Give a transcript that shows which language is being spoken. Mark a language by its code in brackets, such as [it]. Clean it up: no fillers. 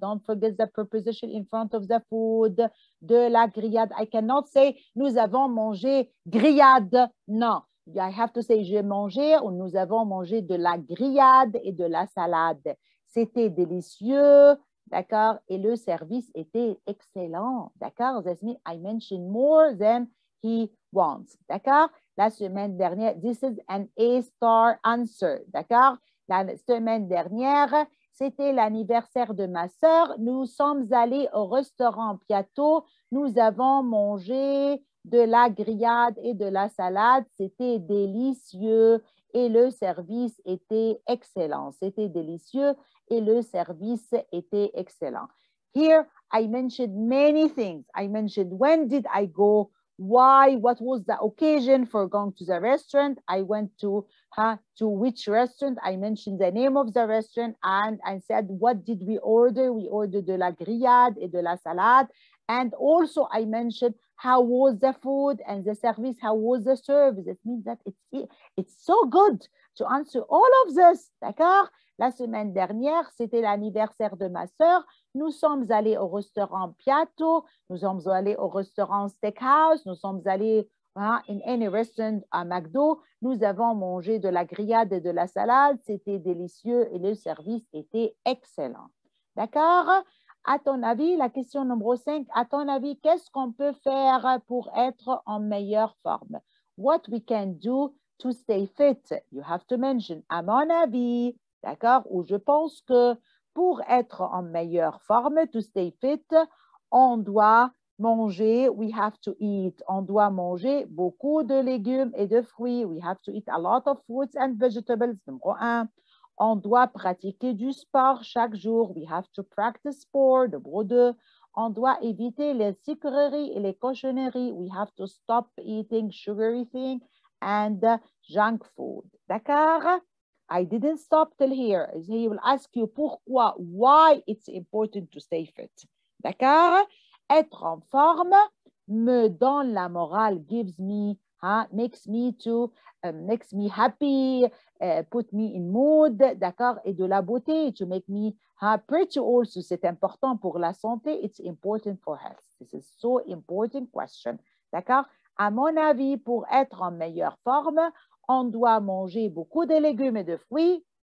[en] Don't forget the preposition in front of the food. [fr] De la grillade. [en] I cannot say [fr] nous avons mangé grillade. Non. [en] I have to say, [fr] j'ai mangé ou nous avons mangé de la grillade et de la salade. C'était délicieux, d'accord? Et le service était excellent, d'accord? [en] That means I mentioned more than he wants, d'accord? [fr] La semaine dernière, [en] this is an A-star answer, d'accord? [fr] La semaine dernière, c'était l'anniversaire de ma sœur. Nous sommes allés au restaurant Piatto. Nous avons mangé de la grillade et de la salade, c'était délicieux et le service était excellent. C'était délicieux et le service était excellent. [en] Here, I mentioned many things. I mentioned when did I go, why, what was the occasion for going to the restaurant. I went to which restaurant. I mentioned the name of the restaurant and I said, what did we order? We ordered [fr] de la grillade et de la salade. [en] And also I mentioned how was the food and the service, how was the service. It means that it's so good to answer all of this, d'accord? [fr] La semaine dernière, c'était l'anniversaire de ma sœur. Nous sommes allés au restaurant Piatto, nous sommes allés au restaurant Steakhouse, nous sommes allés [en] in any restaurant [fr] à McDo. Nous avons mangé de la grillade et de la salade, c'était délicieux et le service était excellent, d'accord? À ton avis, la question numéro 5, à ton avis, qu'est-ce qu'on peut faire pour être en meilleure forme? [en] What we can do to stay fit? You have to mention, [fr] à mon avis, [en] d'accord? [fr] Ou je pense que pour être en meilleure forme, [en] to stay fit, [fr] on doit manger, [en] we have to eat. [fr] On doit manger beaucoup de légumes et de fruits. [en] We have to eat a lot of fruits and vegetables, [fr] numéro 1. On doit pratiquer du sport chaque jour. [en] We have to practice sport, [fr] numéro 2. On doit éviter les sucreries et les cochonneries. [en] We have to stop eating sugary things and junk food. D'accord? I didn't stop till here. He will ask you pourquoi, why it's important to stay fit. [fr] D'accord? Être en forme me donne la morale, [en] gives me, makes me happy, put me in mood, [fr] d'accord, et de la beauté, [en] to make me pretty also, [fr] c'est important pour la santé, [en] it's important for health, this is so important question, [fr] d'accord, à mon avis, pour être en meilleure forme, on doit manger beaucoup de légumes et de fruits,